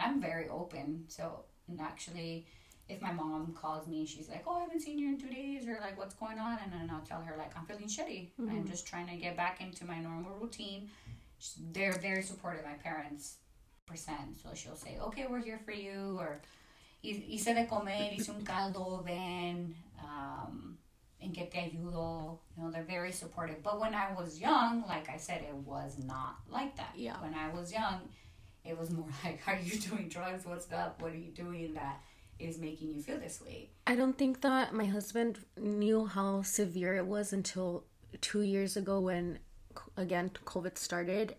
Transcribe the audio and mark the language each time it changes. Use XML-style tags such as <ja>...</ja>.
<en>I'm very open. So, and actually, if my mom calls me, she's like, oh, I haven't seen you in 2 days, or like, what's going on? And then I'll tell her, like, I'm feeling shitty. Mm-hmm. I'm just trying to get back into my normal routine. They're very supportive, my parents. So she'll say, okay, we're here for you.</en> <es>Or, hice de comer, hice un caldo, ven, en que te ayudo.</es> <en>You know, they're very supportive. But when I was young, like I said, it was not like that. Yeah. When I was young, it was more like, are you doing drugs? What's up? What are you doing that is making you feel this way? I don't think that my husband knew how severe it was until 2 years ago when, again, COVID started.</en>